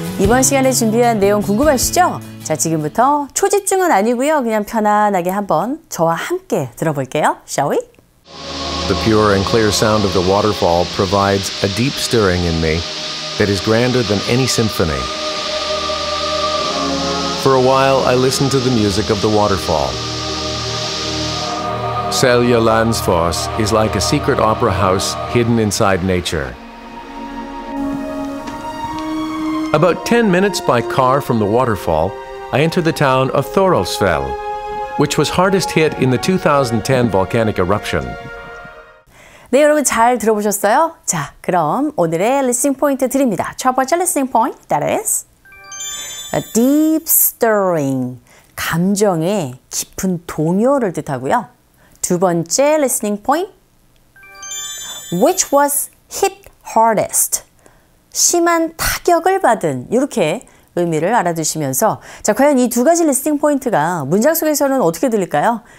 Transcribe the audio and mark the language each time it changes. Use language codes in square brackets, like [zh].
[ko] 이번 시간에 준비한 내용 궁금하시죠? 자, 지금부터 초집중은 아니고요. 그냥 편안하게 한번 저와 함께 들어볼게요. [en] Shall we? The pure and clear sound of the waterfall provides a deep stirring in me that is grander than any symphony. For a while, I listen to the music of the waterfall. Selja Lansfoss is like a secret opera house hidden inside nature. About 10 minutes by car from the waterfall, I enter the town of Thorolsfell, which was hardest hit in the 2010 volcanic eruption. [ko] 네, 여러분 잘 들어보셨어요? 자, 그럼 오늘의 listening point 드립니다. 첫 번째 listening point, [en] that is a deep stirring, [ko] 감정의 깊은 동요를 뜻하고요. 두 번째 listening point, [en] which was hit hardest, [ko] 심한 타격을 받은, 이렇게 의미를 알아두시면서 자, 과연 이 두 가지 listening point가 문장 속에서는 어떻게 들릴까요?